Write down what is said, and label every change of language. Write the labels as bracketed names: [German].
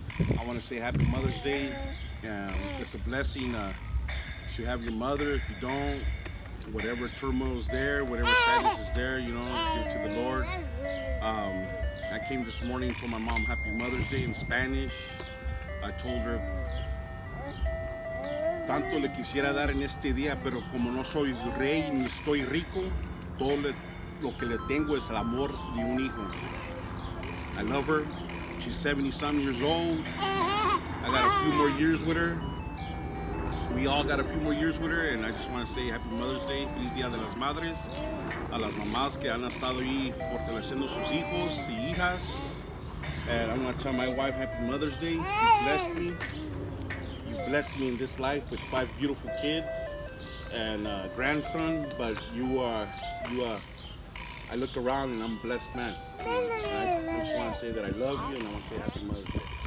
[English] I want to say happy Mother's Day. It's a blessing to have your mother. If you don't, whatever turmoil is there, whatever sadness is there, you know, give to the Lord. I came this morning and told my mom happy Mother's Day in Spanish. I told her, [Spanish] tanto le quisiera dar en este día, pero como no soy rey ni estoy rico, todo lo que le tengo es el amor de un hijo. [English] I love her. She's 70-some years old. I got a few more years with her. We all got a few more years with her, and I just want to say happy Mother's Day. [Spanish] Feliz Día de las Madres. A las mamás que han estado ahí fortaleciendo sus hijos y hijas. [English] And I'm going to tell my wife happy Mother's Day. You blessed me. You blessed me in this life with 5 beautiful kids and a grandson. But I look around and I'm a blessed man. I just want to say that I love you and I want to say happy Mother's Day.